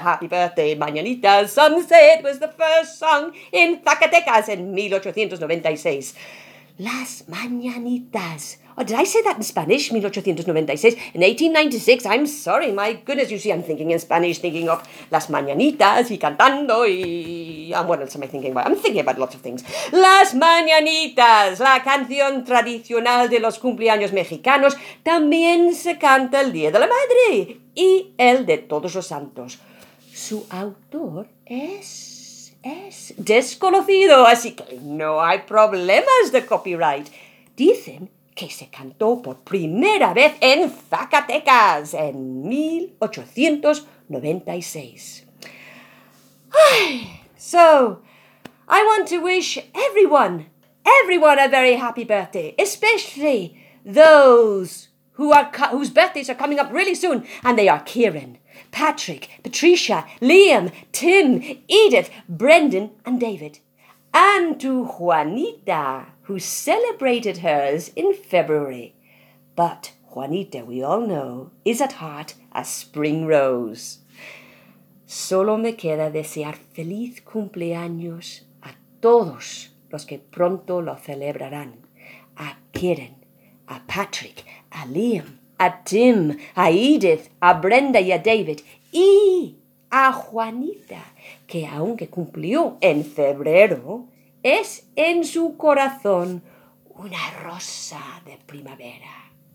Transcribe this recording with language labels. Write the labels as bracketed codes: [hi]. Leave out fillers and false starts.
[en] Happy Birthday, Mañanitas. Some say it was the first song in Zacatecas in 1896. Las Mañanitas. Oh, did I say that in Spanish, 1896? In 1896, I'm sorry, my goodness, you see, I'm thinking in Spanish, thinking of Las Mañanitas [es] y cantando y... [en] Oh, what else am I thinking about? I'm thinking about lots of things. [es] Las Mañanitas, la canción tradicional de los cumpleaños mexicanos, también se canta el Día de la Madre y el de Todos los Santos. Su autor es desconocido, así que no hay problemas de copyright. Dicen que se cantó por primera vez en Zacatecas en 1896. [en] Ay, so, I want to wish everyone a very happy birthday, especially those whose birthdays are coming up really soon, and they are Kieran, Patrick, Patricia, Liam, Tim, Edith, Brendan, and David. And to Juanita, who celebrated hers in February. But Juanita, we all know, is at heart a spring rose. [es] Solo me queda desear feliz cumpleaños a todos los que pronto lo celebrarán. A Kieran, a Patrick, a Liam, a Tim, a Edith, a Brenda y a David, y a Juanita, que aunque cumplió en febrero, es en su corazón una rosa de primavera.